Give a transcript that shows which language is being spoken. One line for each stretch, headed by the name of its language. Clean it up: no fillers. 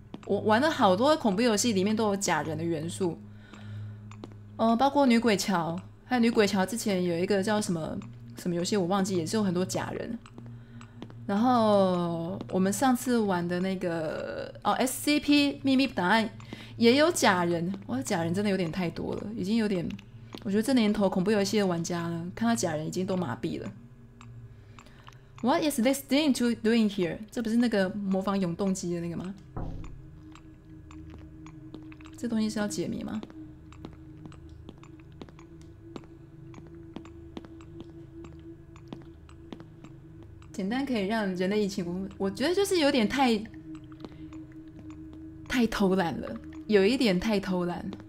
Chinese: 我玩了好多恐怖游戏，里面都有假人的元素，包括女鬼桥，还有女鬼桥之前有一个叫什么什么游戏，我忘记，也是有很多假人。然后我们上次玩的那个SCP 秘密档案也有假人，哇，假人真的有点太多了，已经有点，我觉得这年头恐怖游戏的玩家呢，看到假人已经都麻痹了。
English: What is this thing to doing here？
Chinese: 这不是那个模仿永动机的那个吗？这东西是要解谜吗？简单可以让人类疫情，我觉得就是有点太偷懒了，有一点太偷懒。